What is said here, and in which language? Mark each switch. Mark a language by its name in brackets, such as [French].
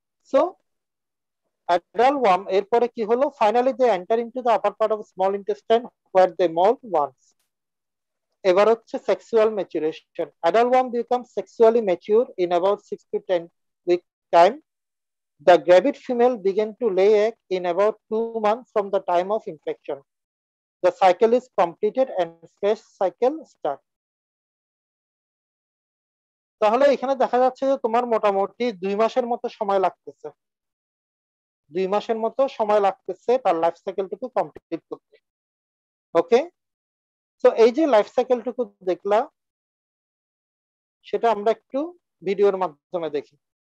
[English] so adult worm [Bangla] এরপরে কি হলো, [English] Finally they enter in to the upper part of small intestine where they moult once. [Bangla] এবার হচ্ছে [English] Sexual maturation, adult worm become sexually mature in about 6 to 10 week time. The gravid female began to lay egg in about 2 months from the time of infection. The cycle is completed and fresh cycle start. [Bangla] তাহলে এখানে দেখা যাচ্ছে যে তোমার মোটামুটি 2 মাসের মতো সময় লাগতেছে, 2 মাসের মতো সময় লাগতেছে তার লাইফ সাইকেলটুকু কমপ্লিট করতে, ওকে। তো এই যে লাইফ সাইকেলটুকু দেখলা সেটা আমরা একটু ভিডিওর মাধ্যমে দেখি।